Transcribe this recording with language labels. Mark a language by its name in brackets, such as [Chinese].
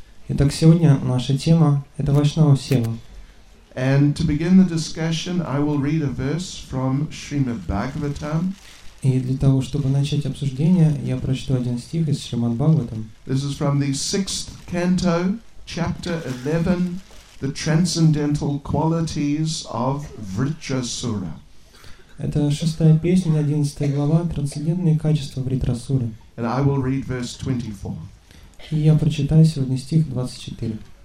[Russian] Итак, сегодня наша тема – это Вайшнава Сева. [English] And to begin the discussion, I will read a verse from Srimad Bhagavatam. [Russian] И для того, чтобы начать обсуждение, я прочту один стих из Шримад Бхагаватам. [English] This is from the 6th canto, chapter 11, the transcendental qualities of Vritrasura. [Russian] Это шестая песня, 11 глава, трансцендентные качества Вритрасуры. [English] And I will read verse 24. [Russian] И я прочитаю сегодня стих 24.